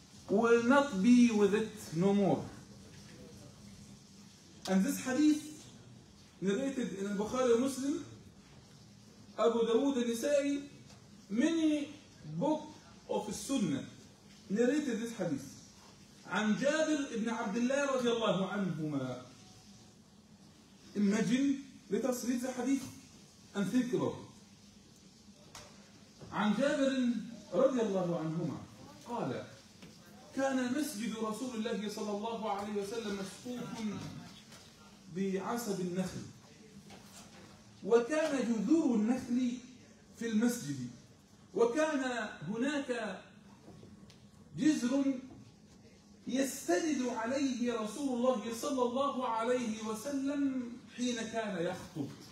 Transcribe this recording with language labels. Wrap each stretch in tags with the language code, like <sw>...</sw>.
<en>will not be with it no more. And this hadith narrated in Bukhari Muslim, Abu Dawood and Nisa'i, many book of Sunnah narrated this hadith.</en> <ar>عن جابر بن عبد الله رضي الله عنهما.</ar> <en>Imagine, let us read the hadith and think about it.</en> <ar>عن جابر رضي الله عنهما قال كان مسجد رسول الله صلى الله عليه وسلم مصفوفا بعصب النخل وكان جذور النخل في المسجد وكان هناك جذر يستند عليه رسول الله صلى الله عليه وسلم حين كان يخطب</ar>